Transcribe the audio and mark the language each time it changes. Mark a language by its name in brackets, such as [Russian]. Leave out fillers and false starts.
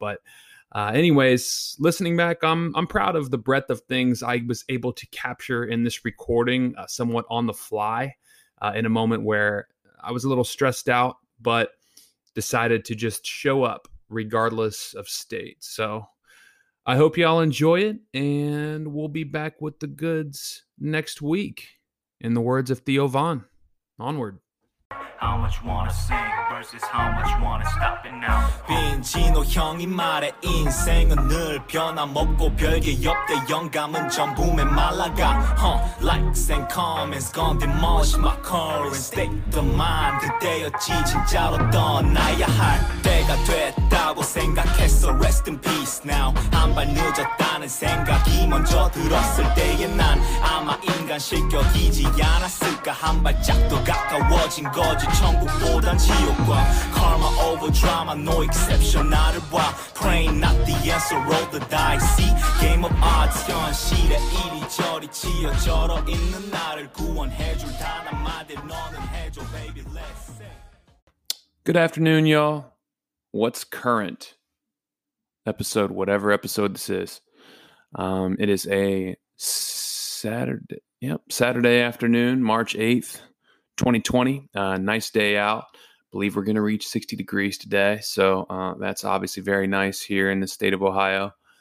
[English] But anyways, listening back, I'm proud of the breadth of things I was able to capture in this recording somewhat on the fly in a moment where I was a little stressed out, but decided to just show up regardless of state. So I hope y'all enjoy it, and we'll be back with the goods next week. In the words of Theo Von, onward. How much wanna see versus how much wanna stop it now? [Korean] 빈지노 형이 말해 인생은 늘 변함없고 별게 없대 영감은 전부 메말라가 huh. [English] Likes and comments gone demolish my current state the mind [Korean] 그때였지 진짜로 떠나야 할 때가 됐다고 생각했어 [English] rest in peace now [Korean] 한 발 늦었다는 생각이 먼저 들었을 때에 난 아마 인간 실격이지 않았을까 한 발짝도 가까워진 거지 천국보단 지옥과 [English] Karma over drama No exception [Korean] 나를 봐 [English] Praying not the answer Roll the dice See game of odds [Korean] 현실에 이리저리 치어져러 있는 나를 구원해줄 단 한마디 너는 해줘 [English] baby let's say Good afternoon y'all. What's current? Episode, whatever episode this is. It is a Saturday. Yep, Saturday afternoon, March 8th. 2020, nice day out. Believe we're going to reach 60 degrees today. So that's obviously very nice here in the state of Ohio.